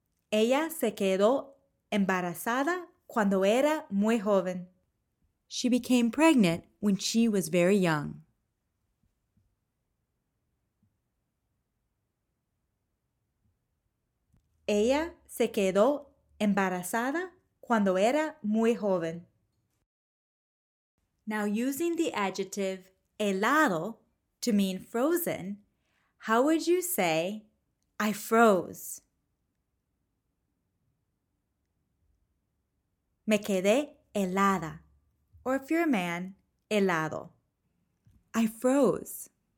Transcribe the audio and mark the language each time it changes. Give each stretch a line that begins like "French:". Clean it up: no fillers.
Spanish: Ella se quedó embarazada cuando era muy joven.
English: She became pregnant when she was very young.
Spanish: Ella se quedó embarazada cuando era muy joven.
English: Now using the adjective helado to mean frozen, how would you say, I froze?
Spanish: Me quedé helada.
English: Or if you're a man, helado. I froze.